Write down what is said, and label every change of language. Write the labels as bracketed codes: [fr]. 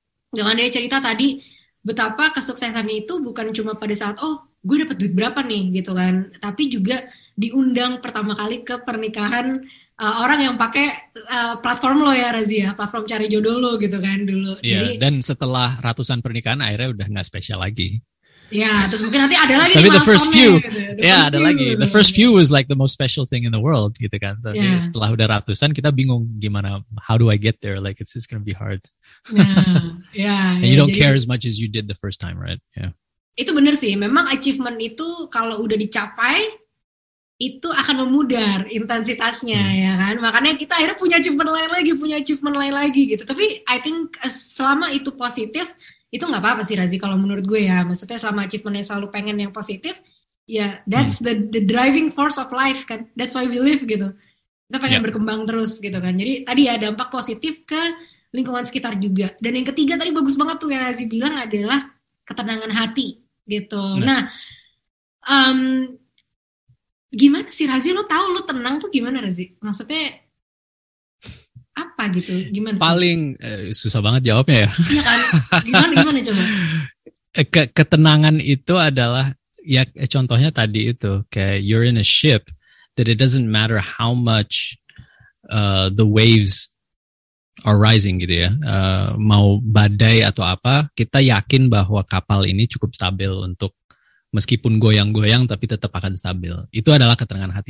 [id] Jangan dia cerita tadi, betapa kesuksesannya itu bukan cuma pada saat, oh gue dapat duit berapa nih gitu kan. Tapi juga diundang pertama kali ke pernikahan orang yang pakai platform lo ya Razi ya, platform cari jodoh lo gitu kan dulu. Yeah, iya, dan setelah ratusan pernikahan akhirnya udah gak spesial lagi. Ya, terus mungkin nanti ada lagi. [en] Tapi the first few, the first few was like the most special thing in the world, [id] gitu kan. Tapi setelah udah ratusan, kita bingung gimana, [en] how do I get there? Like it's gonna be hard. And you don't care as much as you did the first time, right? Yeah. [id] Itu benar sih. Memang achievement itu kalau udah dicapai, itu akan memudar intensitasnya, ya kan. Makanya kita akhirnya punya achievement lain lagi, gitu. Tapi [en] I think [id] selama itu positif. Itu gak apa-apa sih Razi kalau menurut gue ya. Maksudnya selama achievement-nya selalu pengen yang positif, ya [en] that's the driving force of life [id] kan. [en] That's why we live [id] gitu. Kita pengen berkembang terus gitu kan. Jadi tadi ya dampak positif ke lingkungan sekitar juga. Dan yang ketiga tadi bagus banget tuh yang Razi bilang adalah ketenangan hati gitu. Nah, gimana sih Razi, lo tahu lo tenang tuh gimana Razi? Maksudnya apa gitu, gimana? Paling susah banget jawabnya ya. Iya kan, gimana coba? Ketenangan itu adalah, ya contohnya tadi itu, kayak [en] you're in a ship, that it doesn't matter how much the waves are rising [id] gitu ya. Mau badai atau apa, kita yakin bahwa kapal ini cukup stabil untuk, meskipun goyang-goyang tapi tetap akan stabil. Itu adalah ketenangan hati.